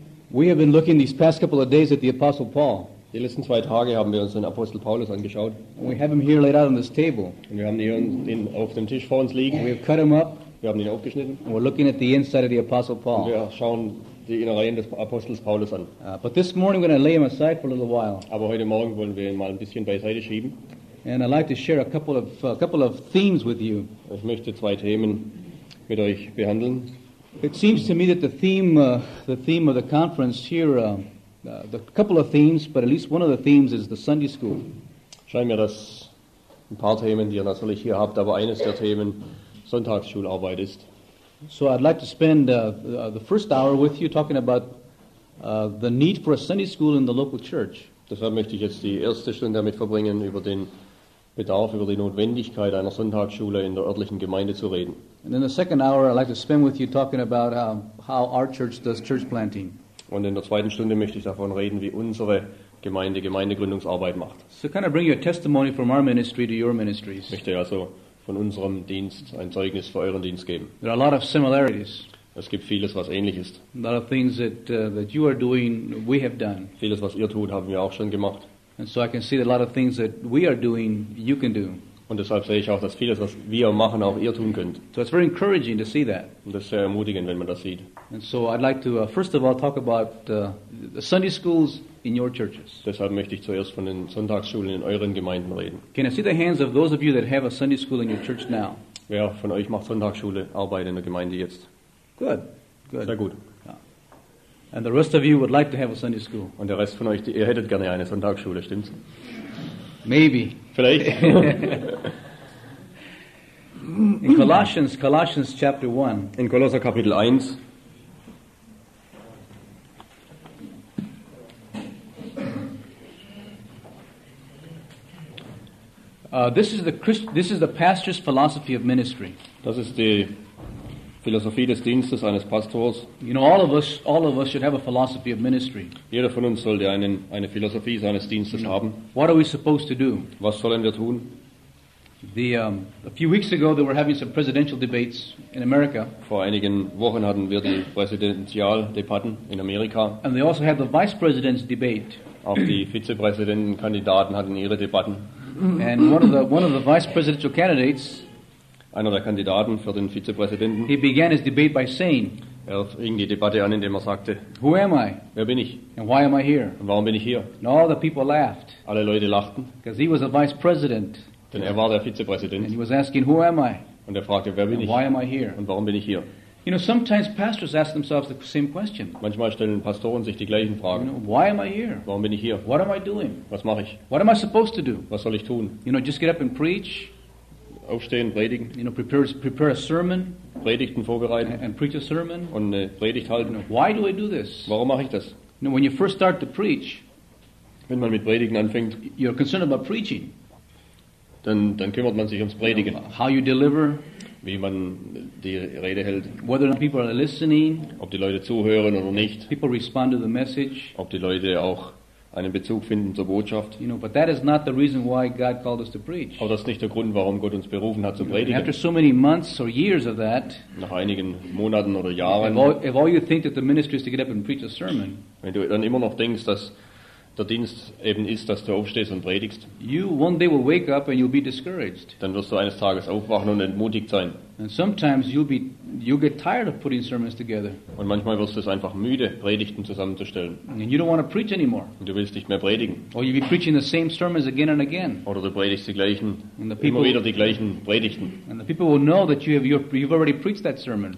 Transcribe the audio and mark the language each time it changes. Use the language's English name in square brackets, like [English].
[English] We have been looking these past couple of days at the Apostle Paul. [German] Die letzten zwei Tage haben wir uns den Apostel Paulus angeschaut. [English] We have him here laid out on this table. [German] Und wir haben ihn auf dem Tisch vor uns liegen. [English] We have cut him up. [German] Wir haben ihn aufgeschnitten. [English] And we're looking at the inside of the Apostle Paul. [German] Und wir schauen die Innereien des Apostels Paulus an. [English] But this morning we're going to lay him aside for a little while. [German] Aber heute Morgen wollen wir ihn mal ein bisschen beiseite schieben. [English] And I'd like to share a couple of themes with you. [German] Ich möchte zwei Themen mit euch behandeln. [English] It seems to me that the theme of the conference here, the couple of themes, but at least one of the themes is the Sunday school. [German] Scheint mir, dass ein paar Themen, die ihr natürlich hier habt, aber eines der Themen Sonntagsschularbeit ist. [English] So I'd like to spend the first hour with you talking about the need for a Sunday school in the local church. [German] Deshalb möchte ich jetzt die erste Stunde damit verbringen, über den Bedarf, über die Notwendigkeit einer Sonntagsschule in der örtlichen Gemeinde zu reden. [English] And in the second hour I'd like to spend with you talking about how our church does church planting. [German] Und in der zweiten Stunde möchte ich davon reden, wie unsere Gemeinde Gemeindegründungsarbeit macht. [English] So kind of bring you a testimony from our ministry to your ministries. [German] Ich möchte also von unserem Dienst ein Zeugnis für euren Dienst geben. [English] There are a lot of similarities. [German] Es gibt vieles, was ähnlich ist. [English] A lot of things that you are doing, we have done. [German] Vieles, was ihr tut, haben wir auch schon gemacht. [English] And so I can see that a lot of things that we are doing, you can do. [German] Und deshalb sehe ich auch, dass vieles, was wir machen, auch ihr tun könnt. [English] So it's very encouraging to see that. [German] Und das ist sehr ermutigend, wenn man das sieht. [English] And so I'd like to first of all talk about the Sunday schools in your churches. [German] Deshalb möchte ich zuerst von den Sonntagsschulen in euren Gemeinden reden. [English] Can I see the hands of those of you that have a Sunday school in your church now? [German] Wer von euch macht Sonntagsschule, Arbeit in der Gemeinde jetzt? [English] Good. [German] Sehr gut. [English] And the rest of you would like to have a Sunday school. [German] Und der Rest von euch, ihr hättet gerne eine Sonntagsschule, stimmt's? [English] Maybe. [German] Vielleicht. [English] In Colossians chapter 1. [German] In Kolosser Kapitel 1. [English] This is the pastor's philosophy of ministry. [German] Das ist die Philosophie des Dienstes eines Pastors. [English] You know, all of us should have a philosophy of ministry. [German] Jeder von uns sollte eine Philosophie seines Dienstes haben. [English] What are we supposed to do? [German] Was sollen wir tun? [English] A few weeks ago they were having some presidential debates in America. [German] Vor einigen Wochen hatten wir die Präsidentialdebatten in Amerika. [English] And they also had the vice president's debate. [German] Auch die Vizepräsidentenkandidaten hatten ihre Debatten. [English] And one of the vice presidential candidates, [German] einer der Kandidaten für den Vizepräsidenten, [English] he began his debate by saying, [German] er fing die Debatte an, indem er sagte, [English] who am I? [German] Wer bin ich? [English] And why am I here? [German] Und warum bin ich hier? [English] And all the people laughed. [German] Alle Leute lachten. [English] Because he was a vice president. [German] Denn er war der Vizepräsident. [English] And he was asking, who am I? [German] Und er fragte, wer bin [English] and [German] ich? [English] Why am I here? [German] Und warum bin ich hier? [English] You know, sometimes pastors ask themselves the same question. [German] Manchmal stellen Pastoren sich die gleichen Fragen. [English] You know, why am I here? [German] Warum bin ich hier? [English] What am I doing? [German] Was mache ich? [English] What am I supposed to do? [German] Was soll ich tun? [English] You know, just get up and preach. [German] Aufstehen, predigen. [English] You know, prepare a sermon. [German] Predigten vorbereiten. [English] And preach a sermon. [German] Und eine Predigt halten. [English] You know, why do I do this? [German] Warum mache ich das? [English] You know, when you first start to preach, [German] wenn man mit Predigen anfängt, [English] you're concerned about preaching. [German] Dann kümmert man sich ums Predigen. [English] You know, how you deliver. [German] Wie man die Rede hält. [English] Whether people are listening. [German] Ob die Leute zuhören oder nicht. [English] People respond to the message. [German] Ob die Leute auch einen Bezug finden zur Botschaft. [English] You know, but that is not the reason why God called us to preach. [German] Aber das ist nicht der Grund, warum Gott uns berufen hat zu predigen. [English] After so many months or years of that, [German] nach einigen Monaten oder Jahren, [English] if all you think that the ministry is to get up and preach a sermon, [German] wenn du dann immer noch denkst, dass der Dienst eben ist, dass du aufstehst und predigst, [English] you one day will wake up and you'll be discouraged. [German] Dann wirst du eines Tages aufwachen und entmutigt sein. [English] And sometimes you'll get tired of putting sermons together. [German] Und manchmal wirst du es einfach müde, Predigten zusammenzustellen. [English] And you don't want to preach anymore. [German] Und du willst nicht mehr predigen. [English] Or you'll be preaching the same sermons again and again. [German] Oder du predigst die gleichen, immer wieder die gleichen Predigten. [English] And the people will know that you've already preached that sermon.